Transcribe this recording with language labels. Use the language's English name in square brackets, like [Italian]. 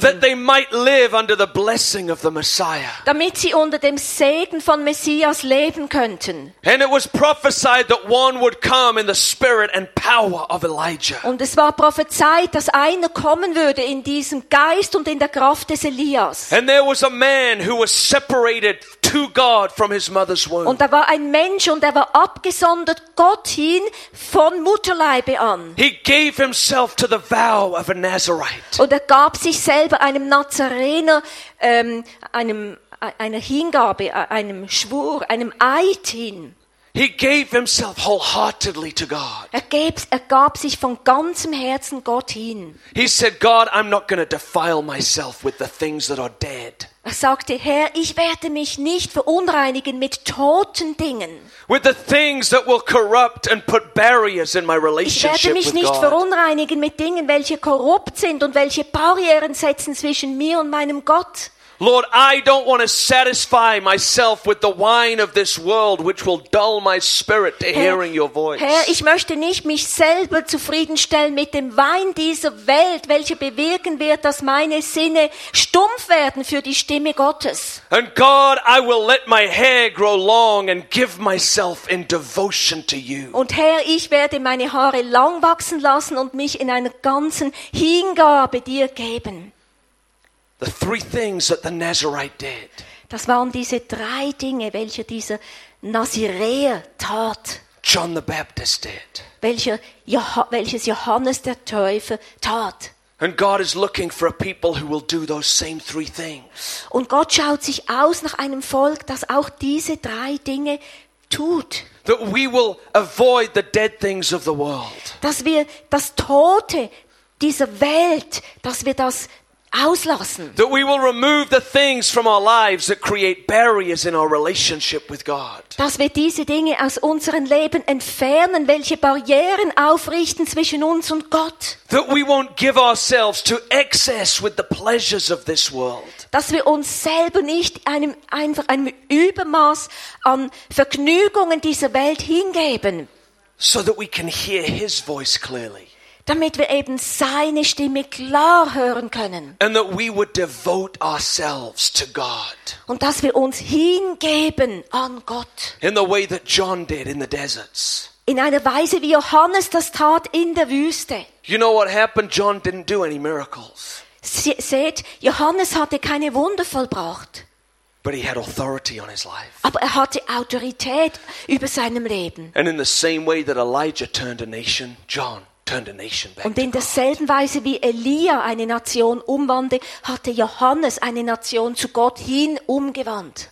[English] That they might live under the blessing of the Messiah. [German] Damit sie unter dem Segen von Messias leben könnten. [English] And it was prophesied that one would come in the spirit and power of Elijah. [German] Und es war prophezeit, dass einer kommen würde in diesem Geist und in der Kraft des Elias. [English] And there was a man who was separated to God from his mother's womb. [German] Und da war ein Mensch und er war abgesondert Gott hin von Mutterleibe an. [English] He gave himself to the vow of a Nazarite. [German] Und er gab sich selber einem Nazarener, einer Hingabe, einem Schwur, einem Eid hin. [English] He gave himself wholeheartedly to God. [German] Er gab sich von ganzem Herzen Gott hin. [English] He said, God, I'm not going to defile myself with the things that are dead. [German] Er sagte, Herr, ich werde mich nicht verunreinigen mit toten Dingen. [English] With the things that will corrupt and put barriers in my relationship with God. [German] Ich werde mich nicht verunreinigen mit Dingen, welche korrupt sind und welche Barrieren setzen zwischen mir und meinem Gott. [English] Lord, I don't want to satisfy myself with the wine of this world, which will dull my spirit to hearing your voice. [German] Herr, ich möchte nicht mich selber zufriedenstellen mit dem Wein dieser Welt, welcher bewirken wird, dass meine Sinne stumpf werden für die Stimme Gottes. [English] And God, I will let my hair grow long and give myself in devotion to you. [German] Und Herr, ich werde meine Haare lang wachsen lassen und mich in einer ganzen Hingabe dir geben. [English] The three things that the Nazarite did. [German] Das waren diese drei Dinge, welche dieser Nazirer tat. [English] John the Baptist did. [German] Welches Johannes der Täufer tat. [English] And God is looking for a people who will do those same three things. [German] Und Gott schaut sich aus nach einem Volk, das auch diese drei Dinge tut. [English] That we will avoid the dead things of the world. [German] Dass wir das Tote dieser Welt, dass wir das auslassen. [English] That we will remove the things from our lives that create barriers in our relationship with God. [German] Dass wir diese Dinge aus unserem Leben entfernen, welche Barrieren aufrichten zwischen uns und Gott. [English] That we won't give ourselves to excess with the pleasures of this world. [German] Dass wir uns selber nicht einem Übermaß an Vergnügungen dieser Welt hingeben. [English] So that we can hear his voice clearly. [German] Damit wir eben seine Stimme klar hören können. [English] And that we would devote ourselves to God. [German] Und dass wir uns hingeben an Gott. [English] In the way that John did in the deserts. [German] In einer Weise, wie Johannes das tat in der Wüste. [English] You know what happened? John didn't do any miracles. [German] Seht, Johannes hatte keine Wunder vollbracht. [English] But he had authority on his life. [German] Aber er hatte Autorität über seinem Leben. [English] And in the same way that Elijah turned a nation, John. Turned a nation back [German] und in derselben Weise, wie Elia eine Nation umwandte, hatte Johannes eine Nation zu Gott hin umgewandt.